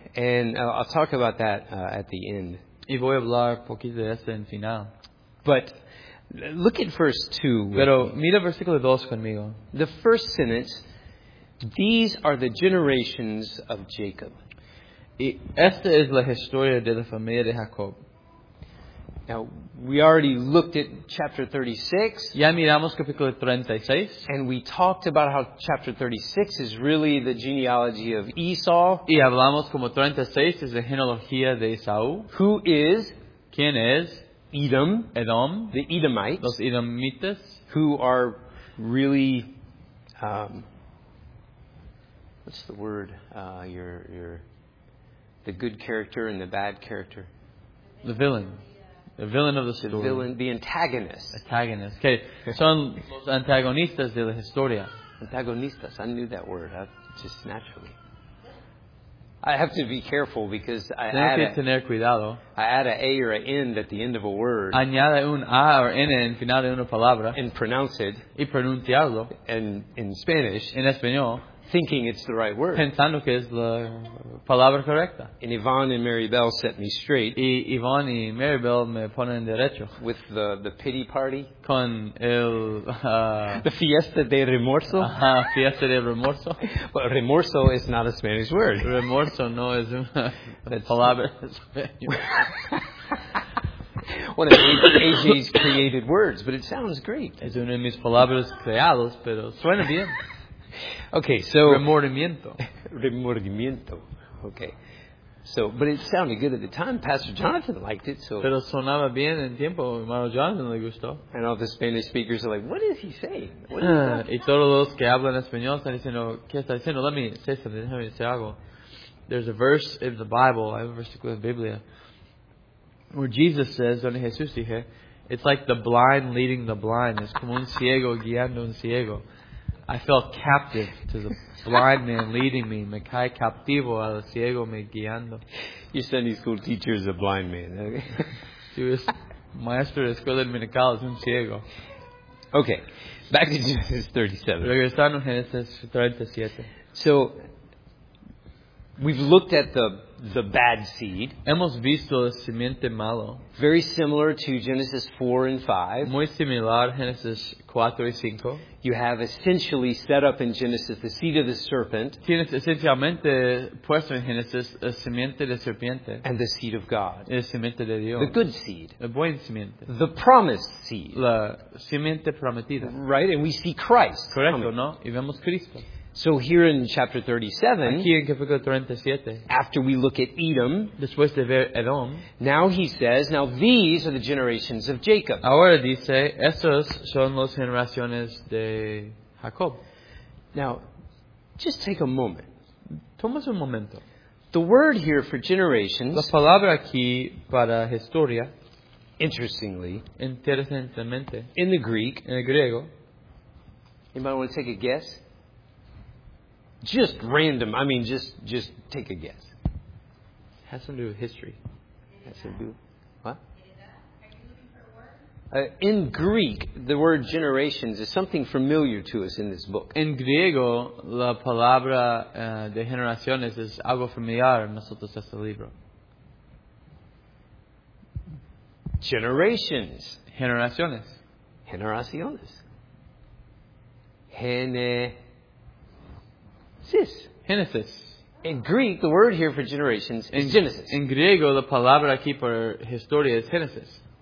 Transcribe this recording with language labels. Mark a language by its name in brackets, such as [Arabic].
[English] And I'll talk about that at the end. [Spanish] Y voy a hablar poquito de eso en final. [English] But look at verse 2. [Spanish] Pero mira versículo 2 conmigo. [English] The first sentence, these are the generations of Jacob. [Spanish] Y esta es la historia de la familia de Jacob. [English] Now, we already looked at chapter 36. [Spanish] Ya miramos capítulo 36. [English] And we talked about how chapter 36 is really the genealogy of Esau. [Spanish] Y hablamos como 36 es la genealogía de Esau. [English] Who is? [Spanish] ¿Quién es? [English] Edom. [Spanish] Edom. [English] The Edomites. [Spanish] Los Edomitas. [English] Who are really, what's the word? The good character and the bad character. The villain. The villain of the story. The villain, the antagonist. Antagonist. Okay. [Spanish] Son los antagonistas de la historia. [English] Antagonistas. I knew that word. Just naturally. I have to be careful because I add an A or an N at the end of a word. [Spanish] Añada un A or N en final de una palabra. [English] And pronounce it. [Spanish] Y pronunciarlo. [English] And in Spanish. [Spanish] En español. [English] thinking it's the right word. [Spanish] Pensando que es la palabra correcta. [English] And Yvonne and Mary Bell set me straight. [Spanish] Y Yvonne y Mary Bell me ponen derecho. [English] With the pity party. [Spanish] Con el the fiesta de remorso. Fiesta de remorso. [English] But remorso is not a Spanish word. [Spanish] Remorso no es una palabra española. [English] One of AJ's created words, but it sounds Greek. [Spanish] Es una de mis palabras creadas, pero suena bien. [English] Okay, so [Spanish] remordimiento. Remordimiento. Okay. [English] So, but it sounded good at the time. Pastor Jonathan liked it, so. [Spanish] Pero sonaba bien en tiempo. Hermano Jonathan le gustó. [English] And all the Spanish speakers are like, what is he saying? [Spanish] Y todos los que hablan español están diciendo, ¿qué está diciendo? [English] Let me say something. Let me say algo. There's a verse in the Bible. I have a verse in the Biblia. Where Jesus says, [Spanish] donde Jesús dije, [English] it's like the blind leading the blind. [Spanish] Es como un ciego guiando un ciego. [English] I felt captive to the blind man leading me. [Spanish] Me cae captivo al ciego me guiando. [English] Your Sunday school teacher is a blind man. [Spanish] Tu maestro de escuela dominical es un ciego. [English] Okay, back to Genesis 37. [Spanish] Regresando a Genesis 37. [English] So, we've looked at the bad seed. [Spanish] Hemos visto la simiente malo. [English] Very similar to Genesis 4 and 5. [Spanish] Muy similar a Genesis 4 y 5. [English] You have essentially set up in Genesis the seed of the serpent. [Spanish] Tienes esencialmente puesto en Genesis la simiente de serpiente. [English] And the seed of God. [Spanish] La simiente de Dios. [English] The good seed. [Spanish] La buena simiente. [English] The promised seed. [Spanish] La simiente prometida. [English] Right, and we see Christ. [Spanish] Correcto, ¿no? Y vemos Cristo. [English] So here in chapter 37, [Spanish] aquí en capítulo 37, [English] after we look at Edom, [Spanish] después de ver Edom, [English] now he says, now these are the generations of Jacob. [Spanish] Ahora dice, estos son las generaciones de Jacob. [English] Now, just take a moment. [Spanish] Tomas un momento. [English] The word here for generations, [Spanish] la palabra aquí para historia, [English] interestingly, [Spanish] interesantemente, [English] in the Greek, [Spanish] en el griego, [English] anybody want to take a guess? Just random. I mean, just take a guess. It has something to do with history. It has something to do with... What? Are you looking for a word? In Greek, the word generations is something familiar to us in this book. [Spanish] En griego, la palabra de generaciones es algo familiar en nosotros este libro. [English] Generations. [Spanish] Generaciones. Generaciones. Genesis. [English] In Greek, the word here for generations is Genesis. [Spanish] En griego, la palabra aquí para historia es Genesis.